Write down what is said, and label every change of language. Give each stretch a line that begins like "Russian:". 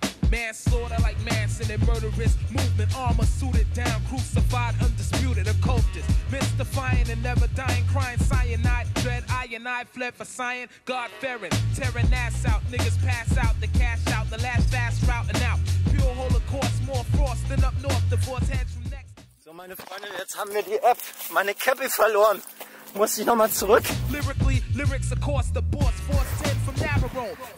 English: Manslaughter like Manson and murderous movement. Armor suited down, crucified, undisputed, occultist. Mystifying and never dying, crying cyanide. Dread ionide, fled for science. God fearing, tearing ass out. Niggas pass out, the cash out, the last fast route and out. Pure holocaust, more frost than up north. Divorce heads from next.
German: So, meine Freunde, jetzt haben wir die App, meine Cappy verloren. Muss ich nochmal zurück?
English: Lyrically, lyrics across the boards, force 10 from Navarone.